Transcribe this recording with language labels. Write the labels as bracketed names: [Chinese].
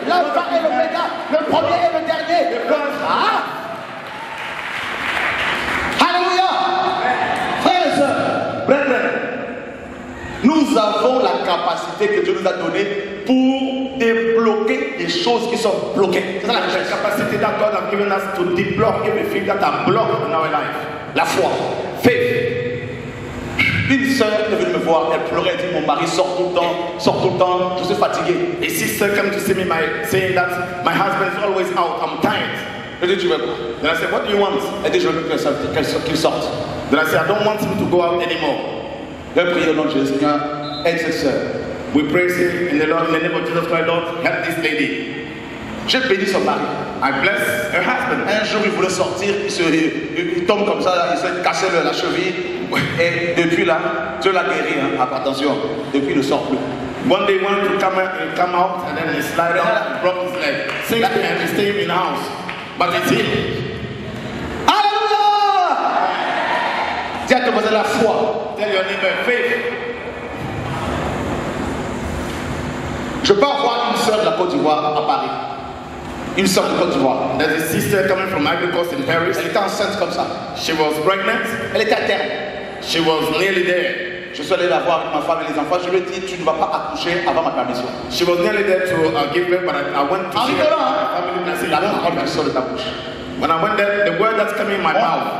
[French] L'Alpha et l'Oméga, le premier et le dernier. Ah! Alléluia! Frères et sœurs, brethren, nous avons la capacité que Dieu nous a donnée pour débloquer les choses qui sont bloquées. C'est ça la richesse. La capacité [English] that God has given us to deblock everything that are blocked in our life. [French] La foi. [English] Faith. [French] Une sœur est venue me voir, elle pleurait, elle dit mon mari sort tout le temps, je suis fatigué. [English] A sister came to see me saying that my husband is always out, I'm tired. [French] Elle dit tu veux quoi? [English] Then I said, what do you want? [French] Elle dit je veux qu'elle sorte. [English] Then I said, I don't want him to go out anymore. [French] Je vais prier au nom de Jésus, Seigneur, aide cette sœur. [English] We praise him in the Lord, in the name of Jesus Christ, Lord, help this lady. [French] J'ai béni son mari. [English] I bless her husband. [French] Un jour, il voulait sortir, il tombe comme ça, il se casse la cheville. Et depuis là, Dieu l'a guéri, hein. Attention, depuis il ne sort plus. [English] One day, he wanted to come out, and then he slide out, he broke his leg. Same thing, he stayed in the house. But it's him. [French] Alléluia! Dis à ton voisin la foi. [English] Tell your neighbor faith. [French] Je peux avoir une sœur de la Côte d'Ivoire à Paris. Une sœur de Côte d'Ivoire. [English] There's a sister coming from Ivory Coast in Paris. [French] Elle était enceinte comme ça. [English] She was pregnant. [French] Elle était à terre. [English] She was nearly there. [French] Je suis allé la voir avec ma femme et les enfants. Je lui ai dit, tu ne vas pas accoucher avant ma permission. [English] She was nearly there to give birth, but I went to see her. Family and I said, [French] la langue sort de ta bouche. [English] When I went there, the word that's coming in my mouth.